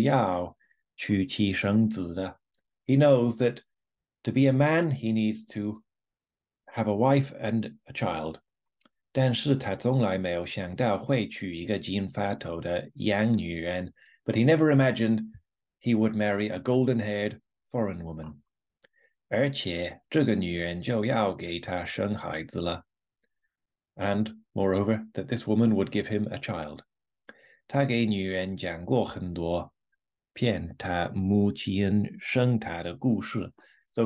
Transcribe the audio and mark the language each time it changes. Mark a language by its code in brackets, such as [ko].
[zh] 他知道做男人是要娶妻生子的。 [en] He knows that to be a man, he needs to have a wife and a child. [zh] 但是他从来没有想到会娶一个金发头的洋女人。 [en] But he never imagined he would marry a golden-haired foreign woman. [zh] 而且这个女人就要给他生孩子了。And [en] moreover, that this woman would give him a child. [zh] 他给女人讲过很多骗他母亲生他的故事。So